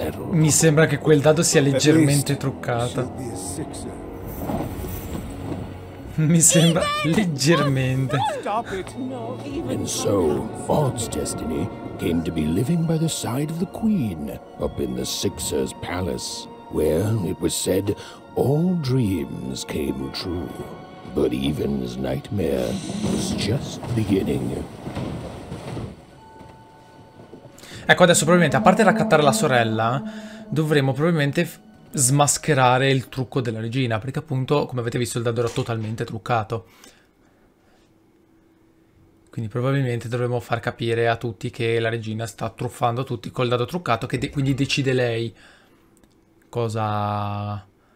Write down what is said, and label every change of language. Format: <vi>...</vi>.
<it>Mi sembra che quel dado sia leggermente truccato. Mi sembra leggermente.</it> <en>And so Odd's destiny came to be living by the side of the queen up in the Sixer's palace, where it was said all dreams came true, but Even's nightmare was just beginning.</en> <it>Ecco, adesso probabilmente, a parte raccattare la sorella, dovremo probabilmente smascherare il trucco della regina, perché appunto, come avete visto, il dado era totalmente truccato. Quindi probabilmente dovremo far capire a tutti che la regina sta truffando tutti col dado truccato, che quindi decide lei cosa...</it>